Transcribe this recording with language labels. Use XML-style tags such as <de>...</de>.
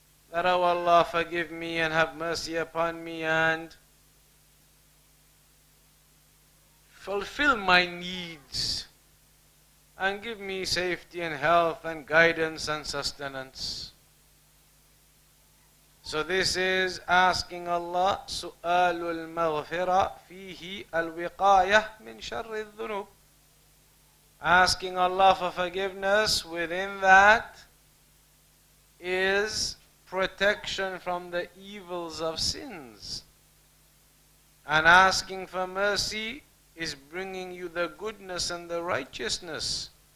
<en>That, oh Allah, forgive me and have mercy upon me and fulfill my needs and give me safety and health and guidance and sustenance. So this is asking Allah,</en> <ar>سؤال المغفرة فيه الوقاية من شر الذنوب.</ar> <en>Asking Allah for forgiveness, within that is protection from the evils of sins. And asking for mercy is bringing you the goodness and the righteousness.</en>